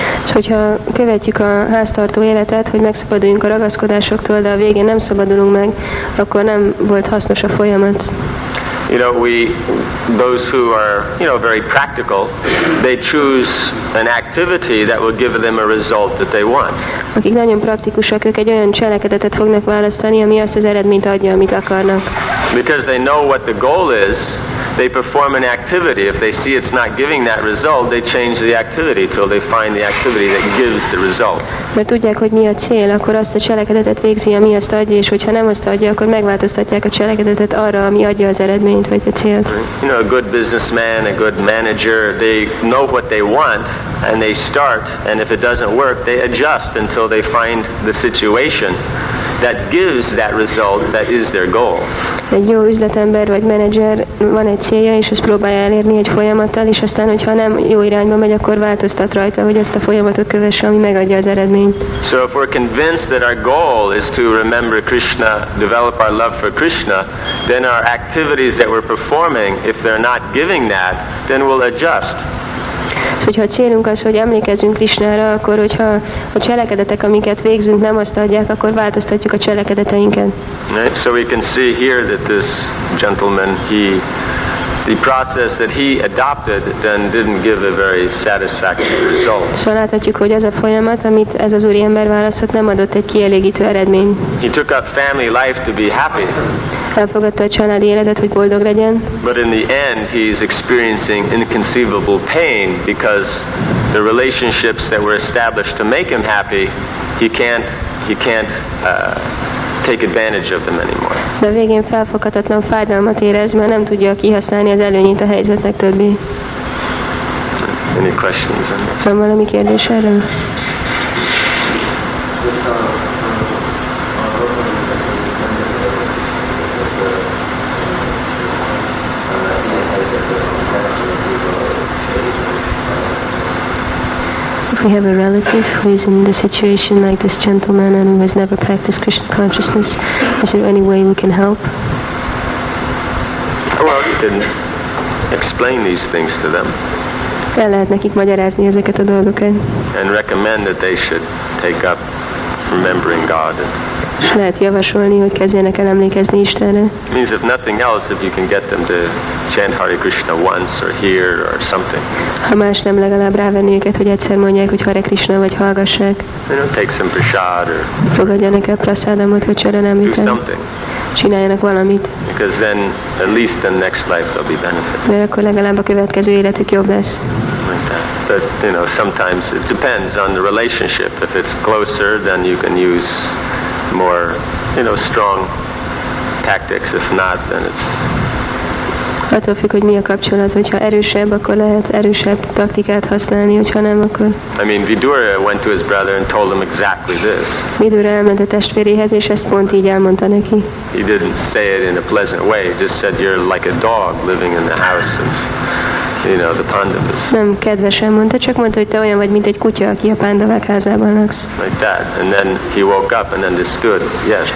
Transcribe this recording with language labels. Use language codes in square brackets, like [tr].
[hu] És hogyha követjük a háztartó életet, hogy megszabaduljunk a ragaszkodásoktól, de a végén nem szabadulunk meg, akkor nem volt hasznos a folyamat. [en] You know, those who are, you know, very practical, they choose an activity that will give them a result that they want. [hu] Akik nagyon praktikusak, ők egy olyan cselekedetet fognak választani, ami azt az eredményt adja, amit akarnak. [en] Because they know what the goal is, they perform an activity. If they see it's not giving that result, they change the activity till they find the activity that gives the result. [hu] Mert tudják, hogy mi a cél, akkor azt a cselekedetet végzi, ami azt adja, és hogyha nem azt adja, akkor megváltoztatják a cselekedetet arra, ami adja az eredményt, vagy a célt. [en] You know, a good businessman, a good manager, they know what they want, and they start, and if it doesn't work, they adjust until they find the situation that gives that result that is their goal. [hu] Egy jó üzletember vagy menedzser van egy célja, és ezt próbálja elérni egy folyamattal, és aztán, hogyha nem jó irányba megy, akkor változtat rajta, hogy ezt a folyamatot kövesse, ami megadja az eredményt. [en] So if we're convinced that our goal is to remember Krishna, develop our love for Krishna, then our activities that we're performing, if they're not giving that, then we'll adjust. [hu] Hogyha a célunk az, hogy emlékezzünk Krishnára, akkor hogyha a cselekedetek, amiket végzünk, nem azt adják, akkor változtatjuk a cselekedeteinket. [en] Right? So we can see here that this gentleman, the process that he adopted then didn't give a very satisfactory result. [hu] Szóval láthatjuk, hogy az a folyamat, amit ez az úriember választott, nem adott egy kielégítő eredményt. [en] He took up family life to be happy. [hu] Elfogadta a családi életet, hogy boldog legyen. [en] But in the end, he is experiencing inconceivable pain because the relationships that were established to make him happy, he can't take advantage of them anymore. [hu] De végén felfoghatatlan fájdalmat érez, mert nem tudja kihasználni az előnyét a helyzetnek többé. [en] Any questions on this? [hu] Van valami kérdés erről? [en] We have a relative who is in the situation like this gentleman and who has never practiced Krishna consciousness. Is there any way we can help? Well, you can explain these things to them. [hu] El lehet nekik magyarázni ezeket a dolgokat. [en] And recommend that they should take up remembering God. [hu] És lehet javasolni, hogy kezdjenek el emlékezni Istenre. [en] Means if nothing else, if you can get them to chant Hare Krishna once or hear or something. [hu] Ha más nem, legalább rávenni őket, hogy egyszer mondják, hogy Hare Krishna, vagy hallgassák. [en] You know, take some prasad or [hu] fogadjanak el prasadamot, vagy csaranamitát. [en] Do something. [hu] csináljanak valamit. [en] Because then at least the next life they'll be benefited. [hu] Mert akkor legalább a következő életük jobb lesz. [en] But you know, sometimes it depends on the relationship. If it's closer, then you can use more, you know, strong tactics. If not, then it's. [hu] Attól függ, hogy mi a kapcsolat, hogyha erősebb, akkor lehet erősebb taktikát használni, hogyha nem, akkor. [en] I mean, Vidura went to his brother and told him exactly this. [hu] Vidura elment a testvérihez, és ezt pont így elmondta neki. [en] He didn't say it in a pleasant way. He just said, "You're like a dog living in the house of." You know, the Pandavas. [hu] Nem kedvesen mondta, csak mondta, hogy te olyan vagy, mint egy kutya, aki a pandavák házában laksz. [en] Like that. And then he woke up and understood. Yes.